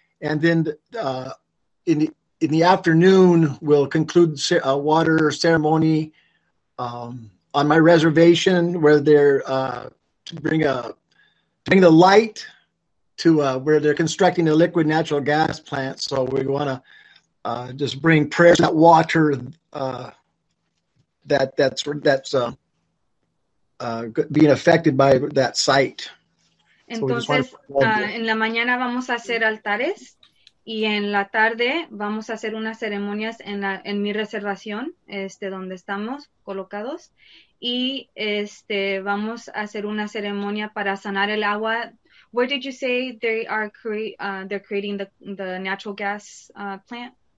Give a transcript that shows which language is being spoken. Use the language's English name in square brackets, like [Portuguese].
[English] And then in the afternoon, we'll conclude a water ceremony on my reservation, where they're to bring the light to where they're constructing a liquid natural gas plant. So we want to just bring prayers that water that's being affected by that site. [Spanish] Entonces, en la mañana vamos a hacer altares y en la tarde vamos a hacer unas ceremonias en mi reservación, donde estamos colocados, y vamos a hacer una ceremonia para sanar el agua. [English] Where did you say they are they're creating the natural gas plant?